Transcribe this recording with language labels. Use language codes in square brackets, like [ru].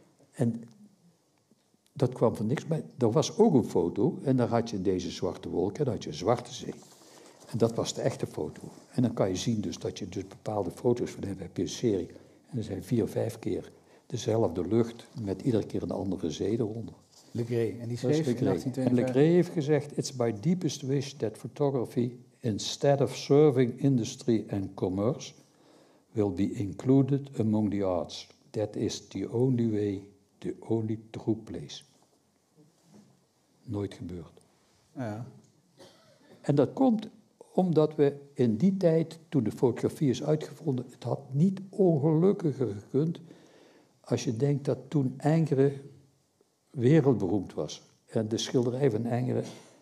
[nl] En dat kwam van niks, maar er was ook een foto. En daar had je deze zwarte wolken en dan had je een zwarte zee. En dat was de echte foto. En dan kan je zien dus dat je dus bepaalde foto's van hebt. Heb je een serie. En er zijn vier, vijf keer dezelfde lucht met iedere keer een andere zee eronder. Legré, en die schreef in 1852. En Legré heeft gezegd, [en] it's my deepest wish that photography, instead of serving industry and commerce, will be included among the arts. That is the only way, the only true place. [nl] Nooit gebeurd. Ja. En dat komt omdat we in die tijd, toen de fotografie is uitgevonden, het had niet ongelukkiger gekund als je denkt dat toen Ingres wereldberoemd was. En de schilderij van Ingres.